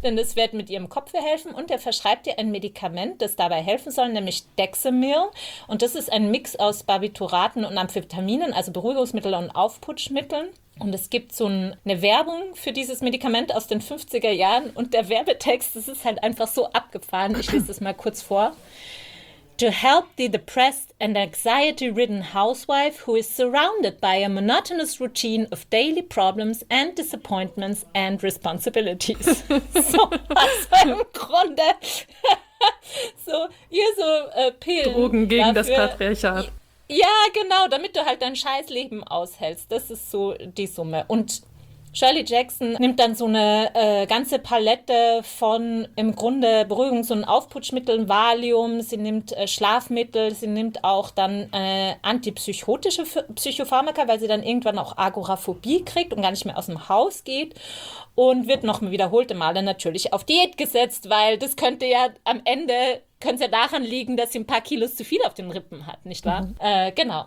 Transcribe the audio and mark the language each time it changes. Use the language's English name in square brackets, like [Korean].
[German] Denn das wird mit ihrem Kopf helfen. Und er verschreibt ihr ein Medikament, das dabei helfen soll, nämlich Dexamil. Und das ist ein Mix aus Barbituraten und Amphetaminen, also Beruhigungsmittel und Aufputschmitteln. Und es gibt so eine Werbung für dieses Medikament aus den 50er Jahren. Und der Werbetext, das ist halt einfach so abgefahren. Ich lese das mal kurz vor. [English] To help the depressed and anxiety-ridden housewife who is surrounded by a monotonous routine of daily problems and disappointments and responsibilities. [German] So, also im Grunde, so, ihr so Pillen. Drogen gegen dafür, das Patriarchat. Ja, genau, damit du halt dein Scheißleben aushältst. Das ist so die Summe. Und Shirley Jackson nimmt dann so eine ganze Palette von im Grunde Beruhigungs- und Aufputschmitteln, Valium, sie nimmt Schlafmittel, sie nimmt auch dann antipsychotische Psychopharmaka, weil sie dann irgendwann auch Agoraphobie kriegt und gar nicht mehr aus dem Haus geht, und wird noch wiederholte Male natürlich auf Diät gesetzt, weil das könnte ja am Ende, könnte ja daran liegen, dass sie ein paar Kilos zu viel auf den Rippen hat, nicht wahr? Mhm. Genau.